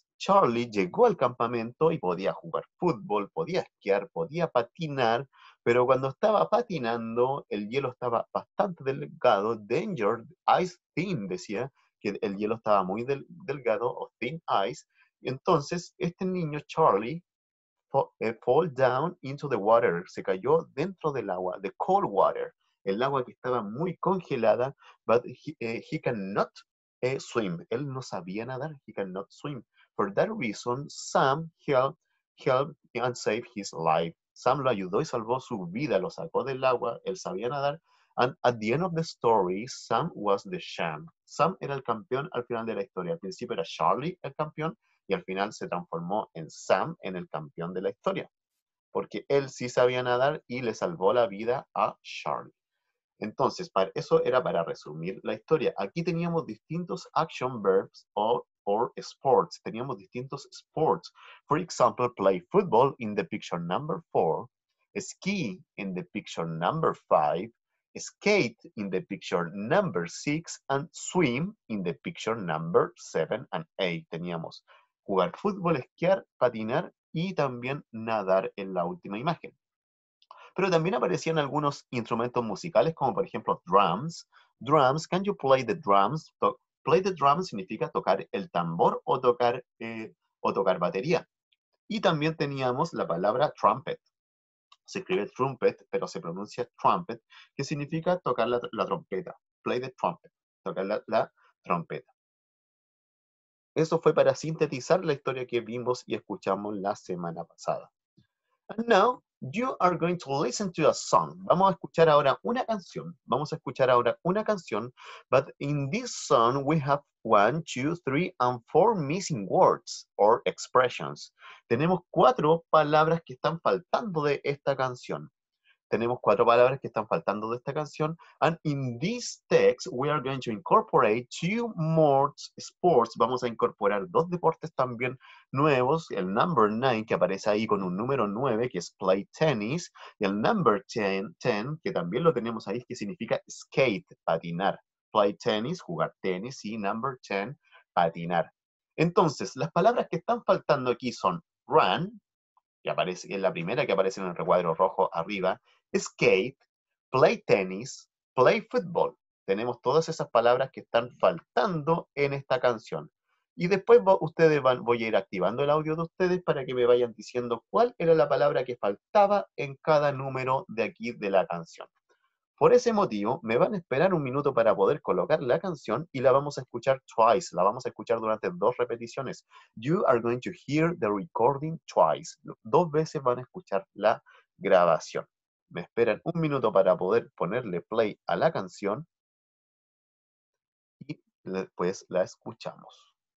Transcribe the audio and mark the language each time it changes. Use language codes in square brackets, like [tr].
[es] Charlie llegó al campamento y podía jugar fútbol, podía esquiar, podía patinar, pero cuando estaba patinando, el hielo estaba bastante delgado, [en] danger, ice thin, [es] decía que el hielo estaba muy delgado, o [en] thin ice, [es] y entonces este niño Charlie [en] fall down into the water, [es] se cayó dentro del agua, [en] the cold water, [es] el agua que estaba muy congelada, [en] but he cannot swim. [es] Él no sabía nadar, [en] he cannot swim. For that reason, Sam helped and saved his life. [es] Sam lo ayudó y salvó su vida, lo sacó del agua, él sabía nadar. [en] And at the end of the story, Sam was the champ. [es] Sam era el campeón al final de la historia. Al principio era Charlie el campeón y al final se transformó en Sam, en el campeón de la historia. Porque él sí sabía nadar y le salvó la vida a Charlie. Entonces, eso era para resumir la historia. Aquí teníamos distintos [en] action verbs [es] o [en] or sports. [es] Teníamos distintos sports. [en] For example, play football in the picture number 4, ski in the picture number 5, skate in the picture number 6, and swim in the picture number 7 and 8. [es] Teníamos jugar fútbol, esquiar, patinar y también nadar en la última imagen. Pero también aparecían algunos instrumentos musicales, como por ejemplo drums. [en] Drums, can you play the drums? Play the drums [es] significa tocar el tambor o tocar batería. Y también teníamos la palabra trumpet. Se escribe trumpet, pero se pronuncia trumpet, que significa tocar la trompeta. [en] Play the trumpet, [es] tocar la trompeta. Eso fue para sintetizar la historia que vimos y escuchamos la semana pasada. [en] And now, you are going to listen to a song. [es] Vamos a escuchar ahora una canción. Vamos a escuchar ahora una canción. [en] But in this song, we have 1, 2, 3, and 4 missing words or expressions. [es] Tenemos 4 palabras que están faltando de esta canción. Tenemos 4 palabras que están faltando de esta canción. [en] And in this text, we are going to incorporate 2 more sports. [es] Vamos a incorporar 2 deportes también nuevos. El number 9, que aparece ahí con un número 9, que es [en] play tennis. [es] Y el number 10, que también lo tenemos ahí, que significa skate, patinar. [en] Play tennis, [es] jugar tenis. Y number 10, patinar. Entonces, las palabras que están faltando aquí son run, que aparece, es la primera que aparece en el recuadro rojo arriba, skate, play tennis, play football. Tenemos todas esas palabras que están faltando en esta canción. Y después voy a ir activando el audio de ustedes para que me vayan diciendo cuál era la palabra que faltaba en cada número de aquí de la canción. Por ese motivo, me van a esperar un minuto para poder colocar la canción y la vamos a escuchar twice. La vamos a escuchar durante 2 repeticiones. [en] You are going to hear the recording twice. [es] 2 veces van a escuchar la grabación. Me esperan un minuto para poder ponerle play a la canción y después la escuchamos.